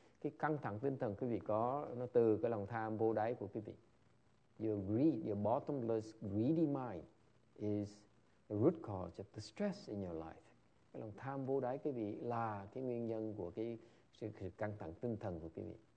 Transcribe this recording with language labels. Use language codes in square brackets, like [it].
[vi] Cái căng thẳng tinh thần quý vị có nó từ cái lòng tham vô đáy của quý vị. [en] Your greed, your bottomless greedy mind is the root cause of the stress in your life. [vi] Cái lòng tham vô đáy quý vị là cái nguyên nhân của cái sự căng thẳng tinh thần của quý vị.